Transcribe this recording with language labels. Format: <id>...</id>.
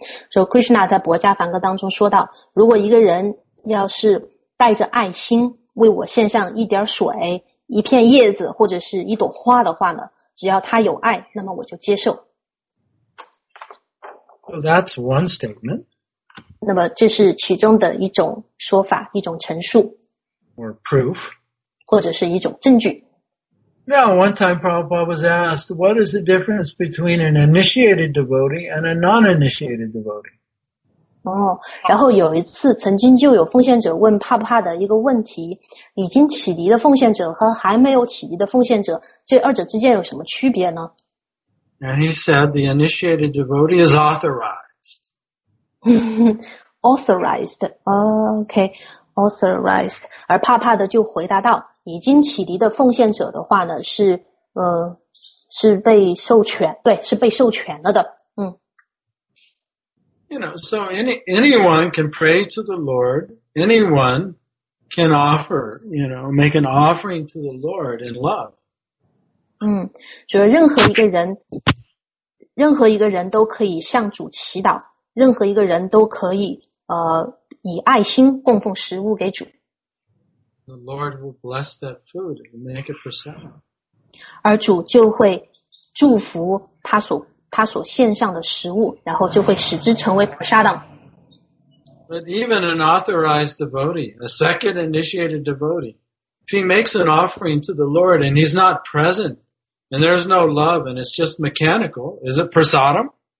<zh>所以 Krishna 在《博迦梵歌》当中说到，如果一个人要是带着爱心，为我献上一点水、一片叶子或者是一朵花的话呢，只要他有爱，那么我就接受。</zh> <en>So that's one statement.</en> <zh>那么这是其中的一种说法，一种陈述。</zh> <en>Or proof.</en> <zh>或者是一种证据。</zh> <en>Now, one time Prabhupada was asked, what is the difference between an initiated devotee and a non-initiated devotee?</en> <zh>哦，然后有一次曾经就有奉献者问帕帕的一个问题，已经启迪的奉献者和还没有启迪的奉献者，这二者之间有什么区别呢？</zh> <en>And he said the initiated devotee is authorized. authorized, okay, authorized.</en> <zh>而帕帕的就回答道，已经启迪的奉献者的话呢，是被授权，对，是被授权了的，</zh> <en>You know, so anyone can pray to the Lord. Anyone can offer, you know, make an offering to the Lord in love.</en> <zh>所以任何一个人都可以向主祈祷，任何一个人都可以以爱心供奉食物给主。</zh> <en>The Lord will bless that food and make it for sale.</en> <zh>而主就会祝福他所献上的食物，然后就会使之成为菩萨的。</zh> <en>But even an authorized devotee, a second initiated devotee, if he makes an offering to the Lord and he's not present and there's no love and it's just mechanical, is it prasadam?</en>